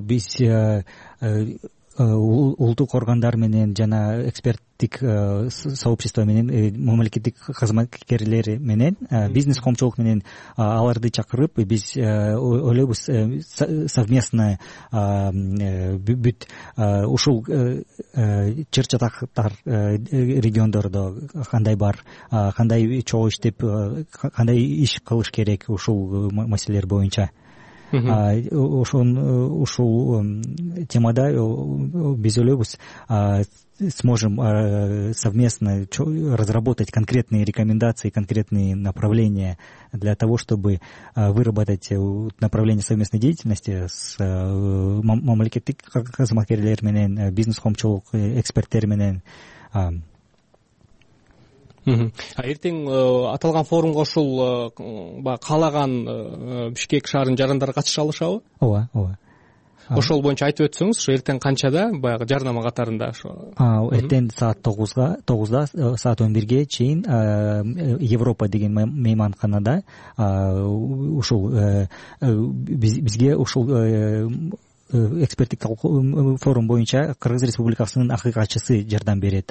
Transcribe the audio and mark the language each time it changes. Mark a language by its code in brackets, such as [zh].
[ky] Биз улуттук органдар менен жана эксперттик сообщество менен мамлекеттик кызматкерлер менен бизнес коомчулук менен аларды чакырып, биз ойлойбуз совместно бүт ушул чыр чатактар региондордо кандай бар, кандай чогуу иштеп, кандай иш кылыш керек ушул маселелер боюнча. Ушул темада биз ойлойбуз, [ru] сможем совместно разработать конкретные рекомендации, конкретные направления для того, чтобы выработать направление совместной деятельности с [ky] мамлекеттик кызматкерлер менен, бизнес коомчулук эксперттер менен. Эртең аталган форумга ошол каалаган Бишкек шаарынын жарандары катыша алышабы? Ооба, ооба. Ошол боюнча айтып өтсөңүз, ошо эртең канчада баягы жарнама катарында ошо? Эртең саат 9:00 саат 11:00 чейин Европа деген мейманканада ушул бизге ушул эксперттик форум боюнча Кыргыз Республикасынын акыйкатчысы жардам берет.